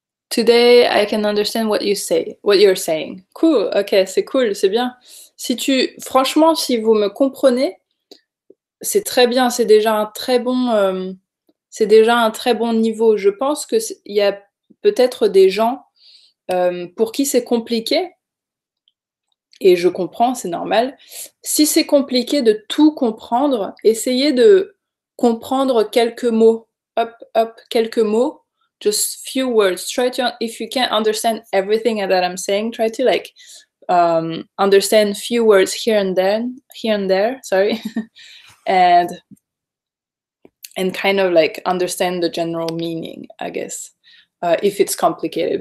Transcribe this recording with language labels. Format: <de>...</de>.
<en>Today, I can understand what you say, what you're saying.</en> <fr>Cool, ok, c'est cool, c'est bien. Franchement, si vous me comprenez, c'est très bien, c'est déjà un très bon niveau. Je pense qu'il y a peut-être des gens pour qui c'est compliqué, et je comprends, c'est normal. Si c'est compliqué de tout comprendre, essayez de comprendre quelques mots, hop, hop, quelques mots,</fr> <en>just few words. Try to, if you can't understand everything that I'm saying, try to like understand few words here and there, and kind of like understand the general meaning, I guess, if it's complicated.</en>